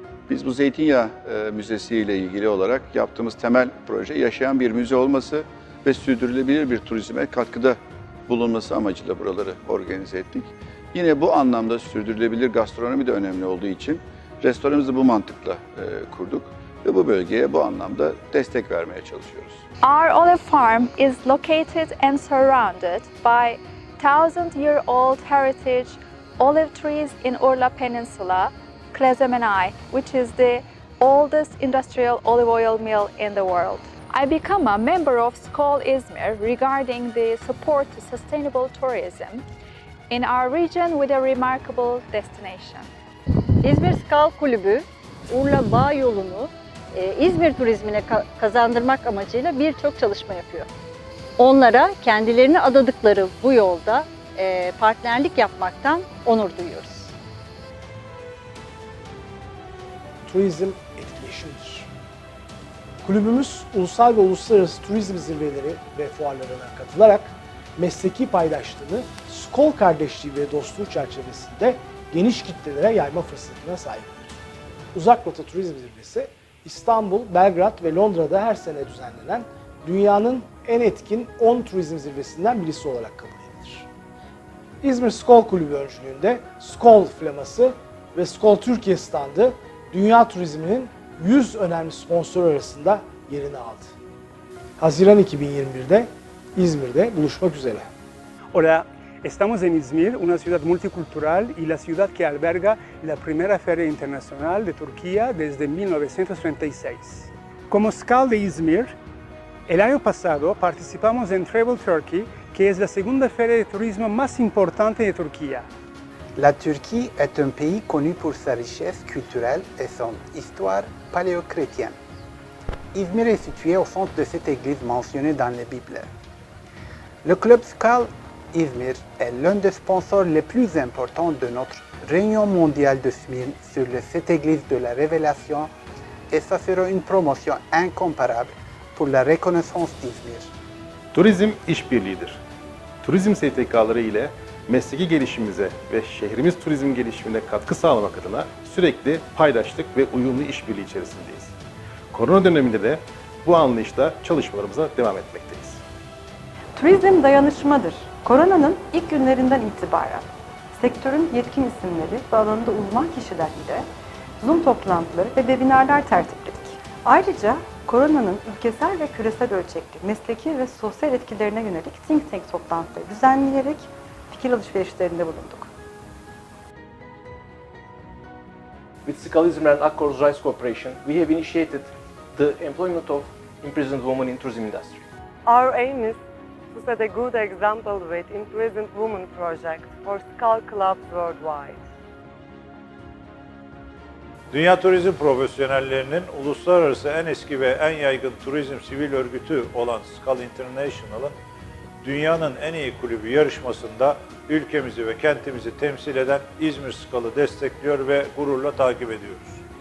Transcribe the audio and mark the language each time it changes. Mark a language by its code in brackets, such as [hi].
[tr] Biz bu Zeytinyağı Müzesi ile ilgili olarak yaptığımız temel proje yaşayan bir müze olması ve sürdürülebilir bir turizme katkıda bulunması amacıyla buraları organize ettik. Yine bu anlamda sürdürülebilir gastronomi de önemli olduğu için restoranımızı bu mantıkla kurduk ve bu bölgeye bu anlamda destek vermeye çalışıyoruz. [en] Our olive farm is located and surrounded by 1000-year-old heritage olive trees in Urla Peninsula, Klezemenay, which is the oldest industrial olive oil mill in the world. I become a member of SKOL İzmir regarding the support to sustainable tourism in our region with a remarkable destination. [tr] İzmir SKOL Kulübü, Urla Bağ Yolu'nu İzmir turizmine kazandırmak amacıyla birçok çalışma yapıyor. Onlara kendilerini adadıkları bu yolda partnerlik yapmaktan onur duyuyoruz. Turizm etkileşimdir. Kulübümüz ulusal ve uluslararası turizm zirveleri ve fuarlarına katılarak mesleki paylaştığını SKOL kardeşliği ve dostluğu çerçevesinde geniş kitlelere yayma fırsatına sahiptir. Uzak Batı Turizm Zirvesi İstanbul, Belgrad ve Londra'da her sene düzenlenen dünyanın en etkin 10 turizm zirvesinden birisi olarak kabul edilir. İzmir SKOL Kulübü öncülüğünde SKOL flaması ve SKOL Türkiye standı Dünya Turizmi'nin 100 önemli sponsoru arasında yerini aldı. Haziran 2021'de İzmir'de buluşmak üzere. [es] Hola, estamos en İzmir, una ciudad multicultural y la ciudad que alberga la primera feria internacional de Turquía desde 1936. Como SKOL de İzmir, el año pasado participamos en Travel Turkey, que es la segunda feria de turismo más importante de Turquía. [fr] La Turquie est un pays connu pour sa richesse culturelle et son histoire paléochrétienne. Izmir est situé au centre de cette église mentionnée dans la Bible. Le club SKOL İzmir est l'un des sponsors les plus importants de notre réunion mondiale de Smyrne sur cette église de la Révélation et ça sera une promotion incomparable pour la reconnaissance d'Izmir. [tr] Tourisme işbirliğidir. Turizm STK'ları ile mesleki gelişimimize ve şehrimiz turizm gelişimine katkı sağlamak adına sürekli paydaşlık ve uyumlu işbirliği içerisindeyiz. Korona döneminde de bu anlayışla çalışmalarımıza devam etmekteyiz. Turizm dayanışmadır. Koronanın ilk günlerinden itibaren sektörün yetkin isimleri ve alanında uzman kişiler ile Zoom toplantıları ve webinarlar tertipledik. Ayrıca koronanın ülkesel ve küresel ölçekli mesleki ve sosyal etkilerine yönelik think tank toplantıları düzenleyerek fikir alışverişlerinde bulunduk. [en] with Sikkal İzmir and Akkor's Rice Corporation, we have initiated the employment of imprisoned women in tourism industry. Our aim is to set a good example with imprisoned women project for Sikkal clubs worldwide. [tr] Dünya turizm profesyonellerinin uluslararası en eski ve en yaygın turizm sivil örgütü olan Sikkal International'ın dünyanın en iyi kulübü yarışmasında ülkemizi ve kentimizi temsil eden İzmir Sikkal'ı destekliyor ve gururla takip ediyoruz.